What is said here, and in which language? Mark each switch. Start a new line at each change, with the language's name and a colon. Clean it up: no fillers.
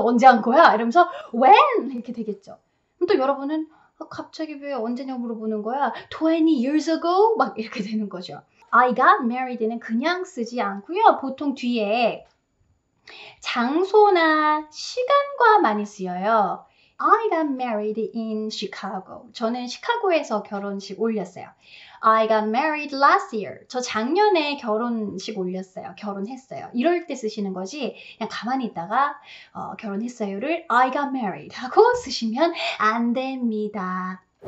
Korean: 언제 한 거야? 이러면서, when? 이렇게 되겠죠. 그럼 또 여러분은, 갑자기 왜 언제냐고 물어보는 거야?
English: 20 years ago?
Korean: 막 이렇게 되는 거죠.
English: I got married
Korean: 는 그냥 쓰지 않고요. 보통 뒤에 장소나 시간과 많이 쓰여요.
English: I got married in Chicago.
Korean: 저는 시카고에서 결혼식 올렸어요.
English: I got married last year.
Korean: 저 작년에 결혼식 올렸어요. 결혼했어요. 이럴 때 쓰시는 거지. 그냥 가만히 있다가 결혼했어요를
English: I got married
Korean: 하고 쓰시면 안 됩니다.